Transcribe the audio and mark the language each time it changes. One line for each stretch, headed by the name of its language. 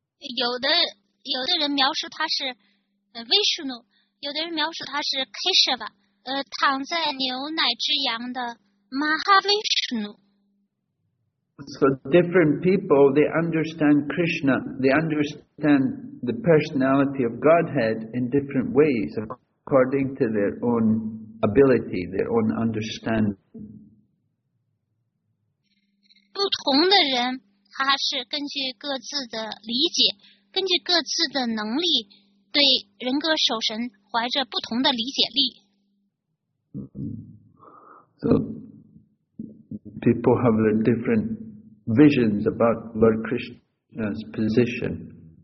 Chinese: 有的人描述他是 Vishnu， 有的人描述他是 Keshava， 躺在牛奶之洋的 Mahavishnu。
English: So different people, they understand Krishna, they understand the personality of Godhead in different ways. According to their own ability, their own understanding.
Chinese: 不同的人，他是根据各自的理解，根据各自的能力，对人格守神怀着不同的理解力。
English: So people have their different visions about Lord Krishna's position.